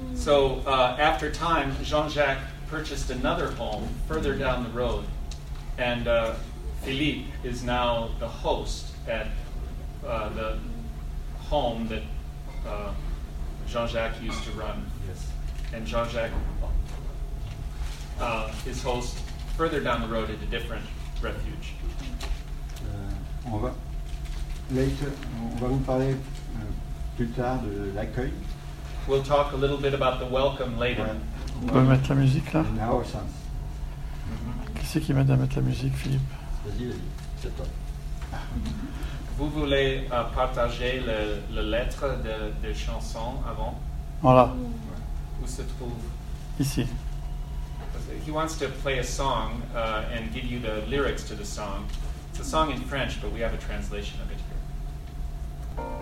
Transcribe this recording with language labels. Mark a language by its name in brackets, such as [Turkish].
[English] So after time, Jean-Jacques purchased another home further down the road, and Philippe is now the host at the home that Jean-Jacques used to run. Yes. And Jean-Jacques is host further down the road at a different refuge. [French] On va later, on va vous parler plus tard de l'accueil. [English] We'll talk a little bit about the welcome later. [French] On peut mettre la musique là. [English] In our sense. [French] Qui c'est qui m'aide à mettre la musique, Philippe? Vas-y, c'est toi. Vous voulez partager le lettre de chansons avant? Voilà. Où se trouve? Ici. [English] He wants to play a song and give you the lyrics to the song. It's a song in French, but we have a translation of it here.